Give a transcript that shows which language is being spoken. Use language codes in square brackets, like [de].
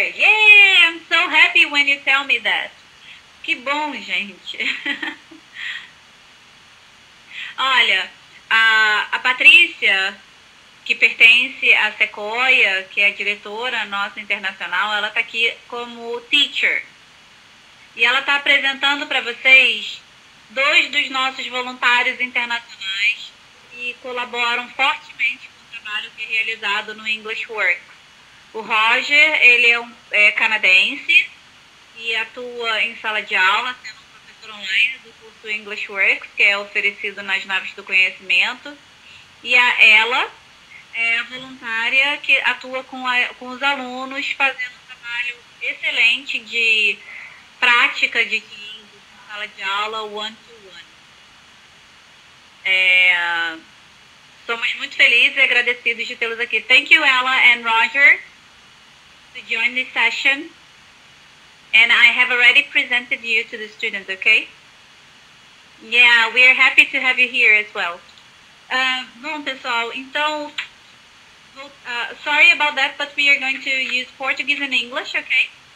[en] Yay, I'm so happy when you tell me that. [pt] Que bom, gente. Olha, a Patrícia, que pertence à Sequoia, que é a diretora nossa internacional, ela está aqui como teacher. E ela está apresentando para vocês dois dos nossos voluntários internacionais que colaboram fortemente com o trabalho que é realizado no English Works. O Roger, ele é canadense e atua em sala de aula, sendo um professor online do curso English Works, que é oferecido nas naves do conhecimento. E a ela é voluntária que atua com os alunos, fazendo um trabalho excelente de prática de inglês em sala de aula, one-to-one. Somos muito felizes e agradecidos de tê-los aqui. [en] Thank you, Ella and Roger, to join this session. And I have already presented you to the students, okay? Yeah, we are happy to have you here as well. [pt] Bom, pessoal, então, [en] sorry about that, but we are going to use Portuguese and English, okay?